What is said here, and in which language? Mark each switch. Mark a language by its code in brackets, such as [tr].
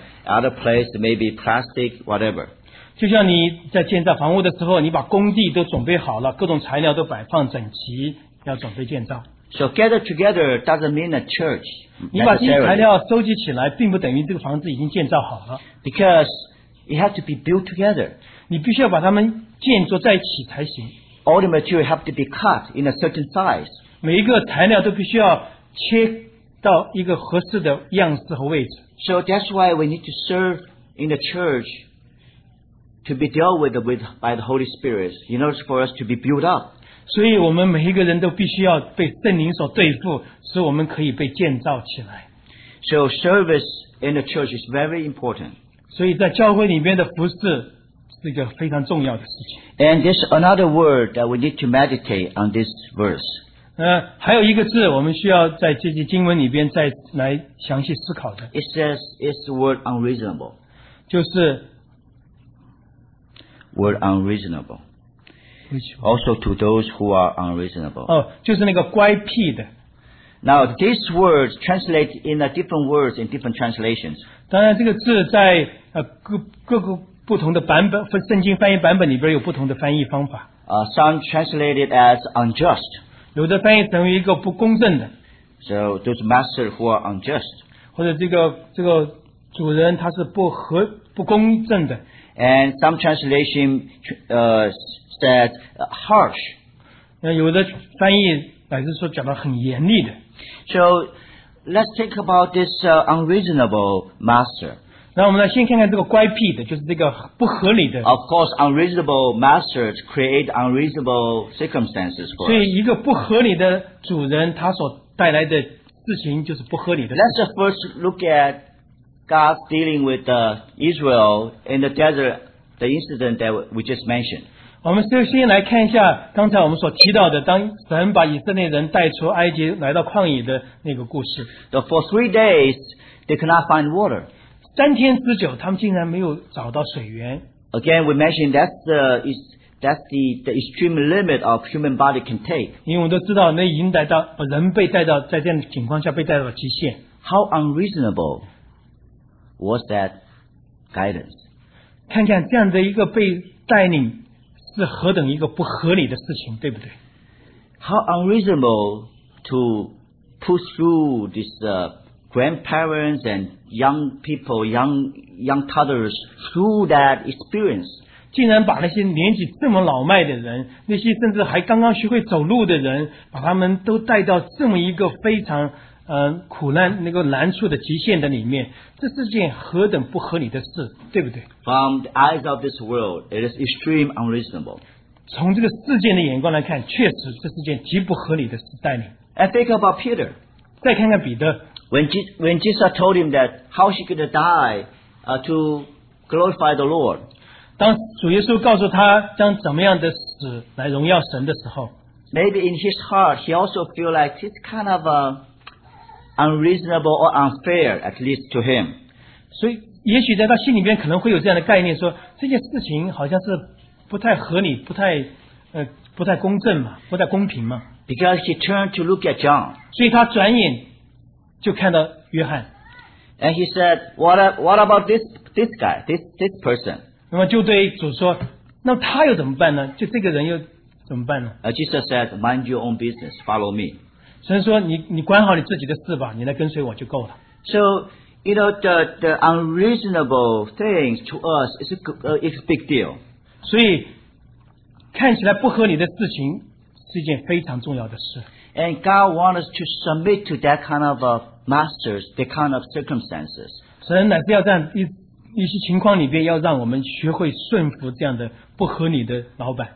[en] Other place maybe plastic, whatever. [zh] 就像你在建造房屋的时候，你把工地都准备好了，各种材料都摆放整齐，要准备建造。 [en] So gather together doesn't mean a church. [zh] 你把这些材料收集起来，并不等于这个房子已经建造好了。 [en] Because it has to be built together. [zh] 你必须要把它们建筑在一起才行。 [en] All the material have to be cut in a certain size. [zh] 每一个材料都必须要切到一个合适的样式和位置。 [en] So that's why we need to serve in the church. To be dealt with by the Holy Spirit, in order for us to be built up. [zh] 所以我们每一个人都必须要被圣灵所对付，使我们可以被建造起来。 [en] So service in the church is very important. [zh] 所以在教会里面的服事是一个非常重要的事情。 [en] And there's another word that we need to meditate on this verse. [zh] 还有一个字我们需要在这些经文里边再来详细思考的。 [en] It says it's the word unreasonable. [zh] 就是 [en] word unreasonable. Also to those who are unreasonable. [zh] Oh, 就是那个乖僻的。 [en] Now, these words translate in a different words in different translations. [zh] 当然这个字在各个不同的版本圣经翻译版本里边有不同的翻译方法。 [en] Some translate it as unjust. [zh] 有的翻译成为一个不公正的。 [en] So, those masters who are unjust. [zh] 或者这个主人他是不公正的。 [en] And some translation, that harsh. [zh] 有的翻译乃是说讲得很严厉的。 [en] So let's think about this unreasonable master. [zh] 那我们来先看看这个乖僻的，就是这个不合理的。 [en] Of course, unreasonable masters create unreasonable circumstances for us. [zh] 所以一个不合理的主人，他所带来的事情就是不合理的。 [en] Let's first look at God dealing with Israel in the desert, the incident that we just mentioned. [zh] 我们就先来看一下刚才我们所提到的当神把以色列人带出埃及来到旷野的那个故事。 [en] For 3 days, they could not find water. [zh] 3天之久他们竟然没有找到水源。 [en] Again, we mentioned that's the extreme limit of human body can take. [zh] 因为我们都知道那已经来到人被带到在这样的情况下被带到极限。 [en] How unreasonable was that guidance? [zh] 看看这样的一个被带领是何等一个不合理的事情，对不对？ [en] How unreasonable to push through these grandparents and young people, young toddlers through that experience. [zh] 竟然把那些年纪这么老迈的人，那些甚至还刚刚学会走路的人，把他们都带到这么一个非常苦难那个难处的极限的里面，这是件何等不合理的事，对不对？ [en] From the eyes of this world, it is extreme unreasonable. [zh] 从这个世界的眼光来看，确实这是件极不合理的事带领。 [en] And think about Peter. [zh] 再看看彼得。 [en] When Jesus told him that how she could die to glorify the Lord. [zh] 当主耶稣告诉他将怎么样的死来荣耀神的时候， [en] Maybe in his heart, he also feel like it's kind of a unreasonable or unfair, at least to him. [zh] 所以也许在他心里面可能会有这样的概念，说这件事情好像是不太合理，不太公正嘛，不太公平嘛。 [en] Because he turned to look at John. [zh] 所以他转眼就看到约翰。 [en] And he said, what about this guy, this person? [zh] 那么就对主说，那他又怎么办呢？就这个人又怎么办呢？ [en] Jesus said, mind your own business, follow me. [zh] 所以说你管好你自己的事吧，你来跟随我就够了。 [en] So, you know, the unreasonable things to us is a big deal. [zh] 所以看起来不合理的事情是一件非常重要的事。 [en] And God wants us to submit to that kind of masters, that kind of circumstances. [zh] 神乃是要在一些情况里面要让我们学会顺服这样的不合理的老板。